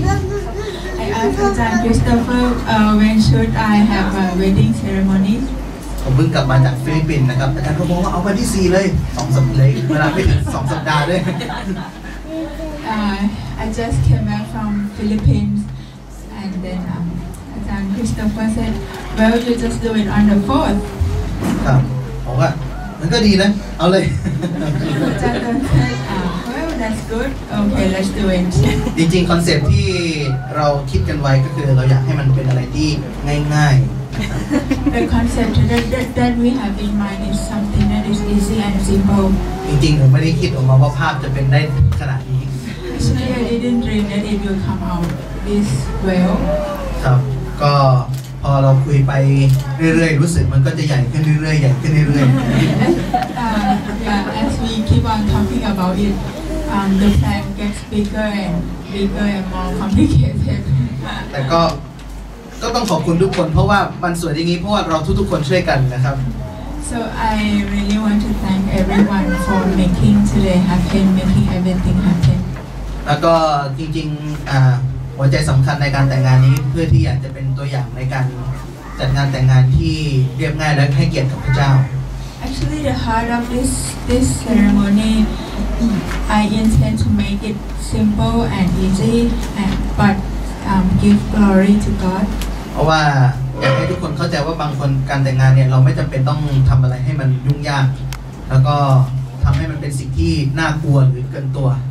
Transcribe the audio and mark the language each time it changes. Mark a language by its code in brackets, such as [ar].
[en] I asked อาจารย์คริสโตเฟอร์ when should I have a wedding ceremony [th] ผมเพิ่งกลับมาจากฟิลิปปินส์นะครับอาจารย์ก็บอกว่าเอาวันที่4เลย2สัปดาห์เลยเวลาไม่ถึง2สัปดาห์ด้วย [en] I just came back from Philippines and then Ajahn Christopher said well you just do it on the 4th [th] ครับผมก็มันก็ดีนะเอาเลย [en] Ajahn said well that's good okay let's do it [th] จริงๆคอนเซ็ปต์ที่เราคิดกันไว้ก็คือเราอยากให้มันเป็นอะไรที่ง่ายๆ [en] The concept that we have in mind is something that is easy and simple [th] จริงๆผมไม่ได้คิดออกมาว่าภาพจะเป็นได้ขนาดนี้ [en] Actually, I didn't dream that it will come out this well. [th] ครับก็พอเราคุยไปเรื่อยๆรู้สึกมันก็จะใหญ่ขึ้นเรื่อยๆใหญ่ขึ้นเรื่อยๆ [en] As we keep on talking about it, the plan gets bigger and more complicated. [th] แต่ก็ต้องขอบคุณทุกคนเพราะว่ามันสวยอย่างนี้เพราะว่าเราทุกๆคนช่วยกันนะครับ [en] So I really want to thank everyone for making today happen, making everything happen. [th] แล้วก็จริงๆหัวใจสำคัญในการแต่งงานนี้เพื่อที่อยากจะเป็นตัวอย่างในการจัดงานแต่งงานที่เรียบง่ายและให้เกียรติกับพระเจ้า [en] Actually the heart of this ceremony I intend to make it simple and easy but give glory to God [th] เพราะว่าอยากให้ทุกคนเข้าใจว่าบางคนการแต่งงานเนี่ยเราไม่จำเป็นต้องทำอะไรให้มันยุ่งยากแล้วก็ทำให้มันเป็นสิ่งที่น่ากลัวหรือเกินตัว